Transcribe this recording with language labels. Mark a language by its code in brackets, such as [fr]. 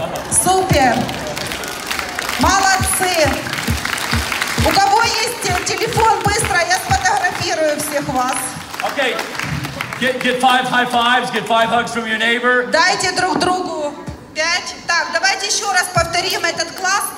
[ru] Супер. Молодцы. У кого есть телефон, быстро, я сфотографирую всех вас. [en] Okay, get five high fives, get five hugs from your neighbor. [ru] Дайте друг другу пять. Так, давайте еще раз повторим этот класс.